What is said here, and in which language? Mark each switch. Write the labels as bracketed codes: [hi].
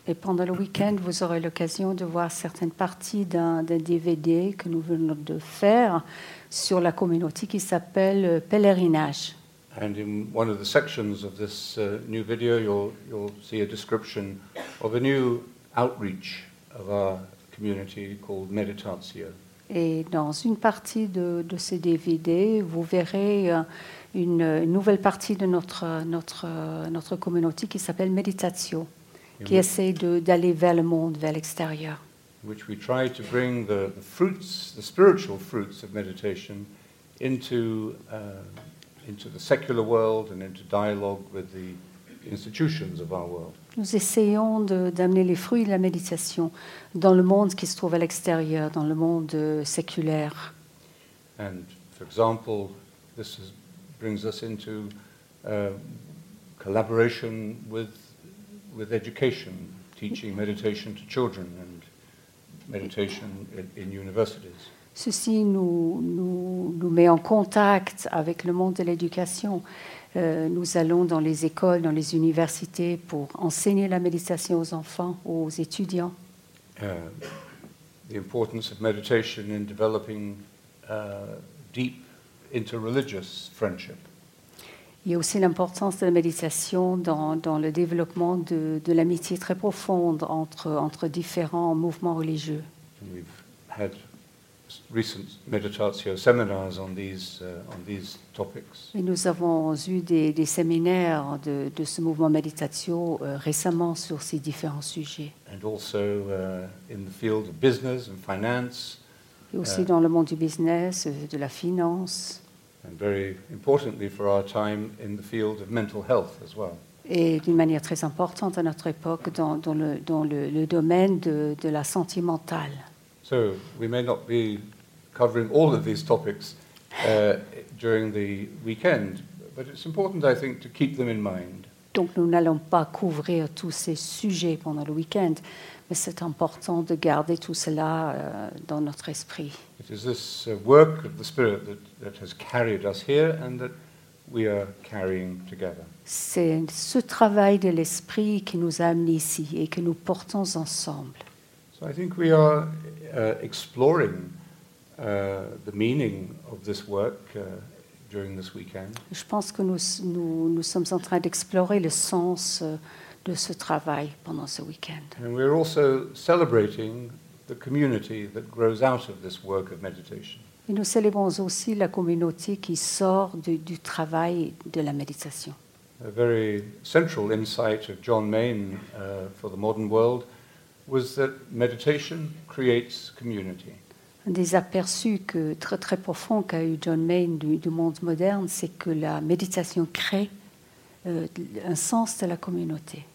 [fr] Et pendant le week-end, vous aurez l'occasion de voir certaines parties d'un DVD que nous venons de faire sur la communauté qui s'appelle Pèlerinage. [en] And in one of the sections of this new video, you'll see a description of a new outreach of our community called Meditatio. [fr] Et dans une partie de ces DVD, vous verrez une nouvelle partie de notre communauté qui s'appelle Meditatio, qui essaie d'aller vers le monde, vers l'extérieur. [en] Which we try to bring the fruits, the spiritual fruits of meditation, into the secular world and into dialogue with the institutions of our world. [fr] Nous essayons d'amener les fruits de la méditation dans le monde qui se trouve à l'extérieur, dans le monde séculaire. [en] And for example, this is, brings us into collaboration with education, teaching meditation to children and meditation in universities. [fr] Ceci nous met en contact avec le monde de l'éducation. Nous allons dans les écoles, dans les universités pour enseigner la méditation aux enfants, aux étudiants. [en] The importance of meditation in developing deep interreligious friendship. [fr] Il y a aussi l'importance de la méditation dans le développement de l'amitié très profonde entre différents mouvements religieux. [en] We've had recent meditatio seminars on these topics. [fr] Et nous avons eu des séminaires de ce mouvement meditatio récemment sur ces différents sujets. [en] And also in the field of business and finance. [fr] Et aussi dans le monde du business, de la finance. [en] And very importantly for our time in the field of mental health as well. [fr] Et d'une manière très importante à notre époque dans le domaine de la santé mentale. [en] So we may not be covering all of these topics during the weekend, but it's important, I think, to keep them in mind. [fr] Donc nous n'allons pas couvrir tous ces sujets pendant le week-end, mais c'est important de garder tout cela dans notre esprit. [en] It is this work of the Spirit that has carried us here and that we are carrying together. [fr] C'est ce travail de l'esprit qui nous a amenés ici et que nous portons ensemble. [en] So I think we are exploring the meaning of this work during this weekend. [fr] Je pense que nous sommes en train d'explorer le sens de ce travail pendant ce weekend. [en] And we're also celebrating the community that grows out of this work of meditation. [fr] Et nous célébrons aussi la communauté qui sort du travail de la méditation. [en] A very central insight of John Maine for the modern world was that meditation creates community. [fr] Un des aperçus que très très profond qu'a eu John Maine du monde moderne, c'est que la méditation crée un sens de la communauté.